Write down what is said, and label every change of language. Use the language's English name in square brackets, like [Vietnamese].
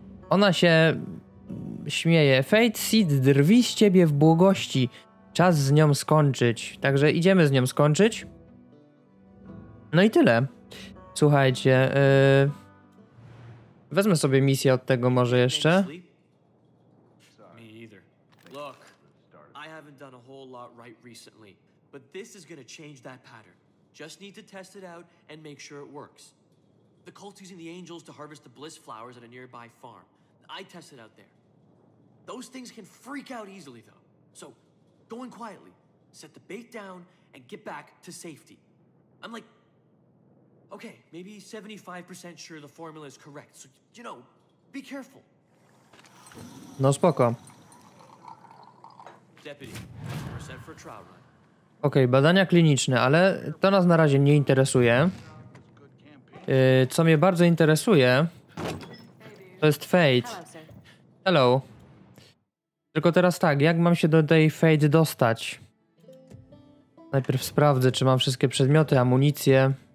[Polish] Ona się śmieje, Fate Seed drwi z ciebie w błogości, czas z nią skończyć, także idziemy z nią skończyć. No i tyle. Słuchajcie, wezmę sobie misję od tego może jeszcze. [English] Me either. Look, I haven't done a whole lot right recently, but this is gonna change that pattern. Just need to test it out and make sure it works. The cult using the angels to harvest the bliss flowers at a nearby farm. I tested out there. Those things can freak out easily though. So, go in quietly, set the bait down and get back to safety. I'm like okay, maybe 75% sure the formula is correct. So, you know, be careful. [Polish] No spoko. [English] Deputy, we're set for a trial run. [Polish] Okej, badania kliniczne, ale to nas na razie nie interesuje. Co mnie bardzo interesuje, to jest Fate. Hello. Tylko teraz tak, jak mam się do tej Fate dostać? Najpierw sprawdzę, czy mam wszystkie przedmioty, amunicję.